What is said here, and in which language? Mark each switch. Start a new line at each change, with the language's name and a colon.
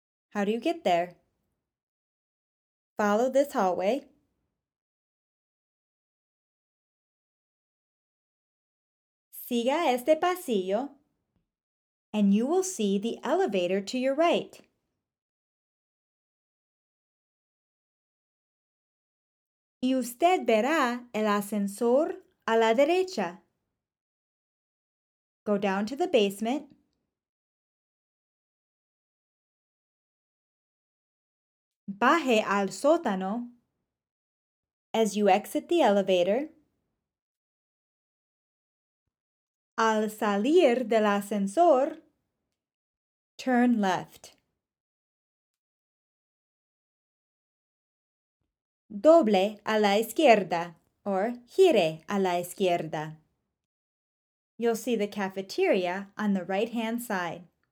English: How do you get there? Follow this hallway.
Spanish: Siga este pasillo,
English: and you will see the elevator to your right.
Spanish: Y usted verá el ascensor a la derecha.
English: Go down to the basement.
Spanish: Baje al sótano.
English: As you exit the elevator.
Spanish: Al salir del ascensor,
English: turn left.
Spanish: Doble a la izquierda, or gire a la izquierda.
English: You'll see the cafeteria on the right-hand side.